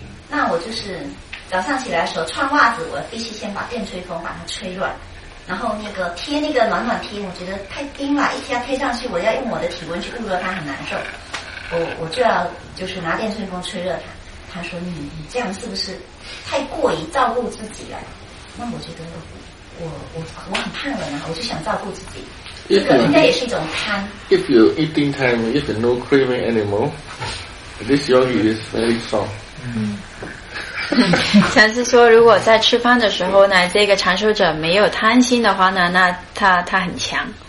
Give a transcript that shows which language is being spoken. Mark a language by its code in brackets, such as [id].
[zh] 那我就是早上起来的时候穿袜子，我必须先把电吹风把它吹软，然后那个贴那个暖暖贴，我觉得太冰了，一贴贴上去，我要用我的体温去捂热它，很难受。我就要就是拿电吹风吹热它。他说你这样是不是太过于照顾自己了？那我觉得我很怕冷啊，我就想照顾自己。 [en] If you eating time, if you no craving anymore, this yogi is very strong. [zh] 禅师说，如果在吃饭的时候呢，这个禅修者没有贪心的话呢，那他很强。